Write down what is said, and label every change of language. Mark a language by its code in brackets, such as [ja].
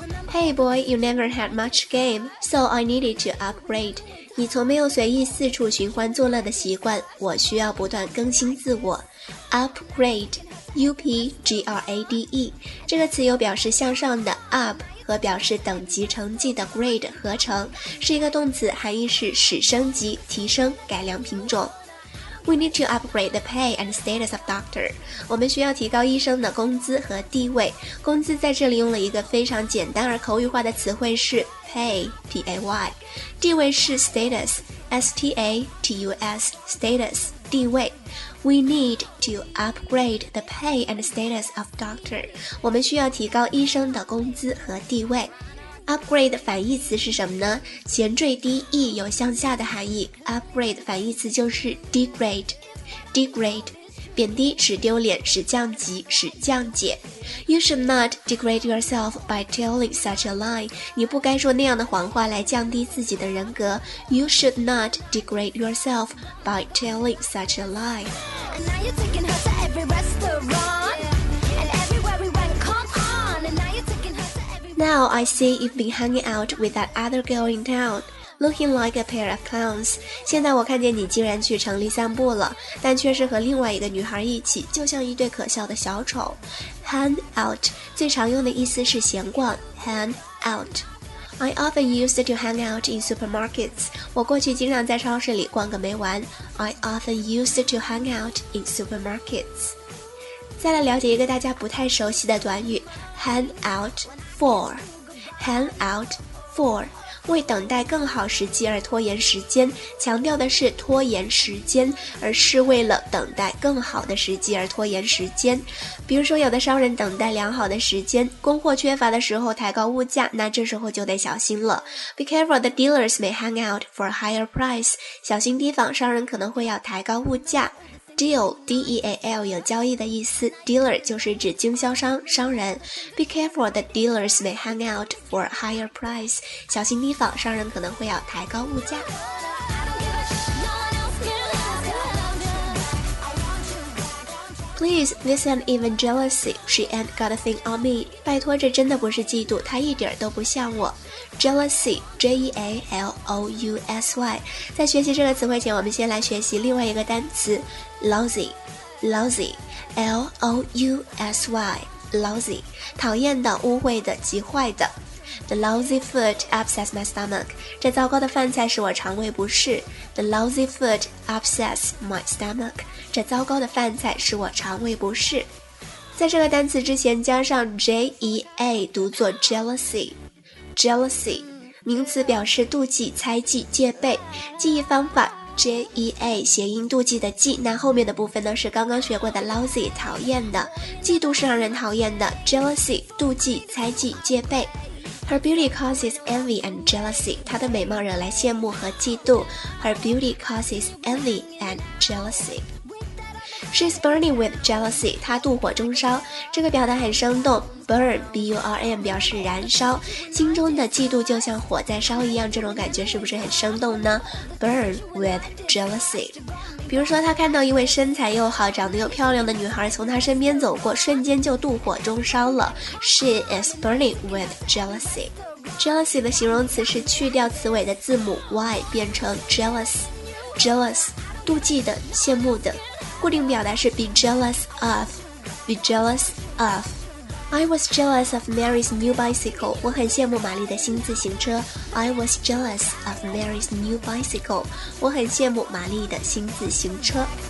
[en] Hey boy, you never had much game, so I needed to upgrade. [zh] 你从没有随意四处寻欢作乐的习惯，我需要不断更新自我。 Upgrade, U-P-G-R-A-D-E, 这个词有表示向上的 up 和表示等级成绩的 grade 合成，是一个动词，含义是使升级、提升、改良品种。 [en] We need to upgrade the pay and status of doctor. [zh] 我们需要提高医生的工资和地位。工资在这里用了一个非常简单而口语化的词汇是 pay, P-A-Y. 地位是 status, S-T-A-T-U-S, status, 地位。 [en] We need to upgrade the pay and status of doctor. [zh] 我们需要提高医生的工资和地位。Upgrade 的反义词是什么呢？前缀 de 有向下的含义， Upgrade 反义词就是 degrade， degrade， 贬低，使丢脸，使降级，使降解。 [en] You should not degrade yourself by telling such a lie， [zh] 你不该说那样的谎话来降低自己的人格。 [en] You should not degrade yourself by telling such a lie。 And now you're taking her to every restaurantNow I see you've been hanging out with that other girl in town, looking like a pair of clowns. [zh] 现在我看见你竟然去城里散步了，但却是和另外一个女孩一起，就像一对可笑的小丑。 Hang out 最常用的意思是闲逛。 [en] Hang out. I often used to hang out in supermarkets. [zh] 我过去经常在超市里逛个没完。 [en] I often used to hang out in supermarkets. [zh] 再来了解一个大家不太熟悉的短语 Hang out for Hang out for 为等待更好时机而拖延时间，强调的是拖延时间，而是为了等待更好的时机而拖延时间。比如说有的商人等待良好的时间，供货缺乏的时候抬高物价，那这时候就得小心了。 [en] Be careful, the dealers may hang out for a higher price. [zh] 小心提防，商人可能会要抬高物价。Deal, D-E-A-L 有交易的意思， Dealer 就是指经销商、商人。 [en] Be careful, the dealers may hang out for a higher price. [zh] 小心提防，商人可能会要抬高物价。 [en] Please, this isn't even jealousy, she ain't got a thing on me. [zh] 拜托，这真的不是嫉妒，她一点都不像我。Jealousy, J-E-A-L-O-U-S-Y. 在学习这个词汇前，我们先来学习另外一个单词 Lousy, Lousy, L-O-U-S-Y, Lousy. 讨厌的、污秽的、极坏的。 [en] The lousy food upsets my stomach. [zh] 这糟糕的饭菜使我肠胃不适。 [en] The lousy food upsets my stomach. [zh] 这糟糕的饭菜使我肠胃不适。在这个单词之前加上 J-E-A 读作 jealousy。 Jealousy, 名词表示妒忌、猜忌、戒备。记忆方法 J-E-A 谐音妒忌的忌，那后面的部分呢是刚刚学过的 lousy 讨厌的。嫉妒是让人讨厌的， Jealousy 妒忌、猜忌、戒备。 [en] Her beauty causes envy and jealousy. [zh] 她的美貌惹来羡慕和嫉妒。 [en] Her beauty causes envy and jealousy. She's burning with jealousy. [zh] 她妒火中烧。这个表达很生动。 Burn, B-U-R-N 表示燃烧。心中的嫉妒就像火在烧一样，这种感觉是不是很生动呢？ [en] Burn with jealousy. [zh] 比如说她看到一位身材又好、长得又漂亮的女孩从她身边走过，瞬间就妒火中烧了。 [en] She is burning with jealousy. [zh] Jealousy 的形容词是去掉词尾的字母 Y 变成 jealous. Jealous, 妒忌的、羡慕的。固定表达是 be jealous of, be jealous of. [en] I was jealous of Mary's new bicycle. [zh] 我很羡慕玛丽的新自行车。 [en] I was jealous of Mary's new bicycle. [zh] 我很羡慕玛丽的新自行车。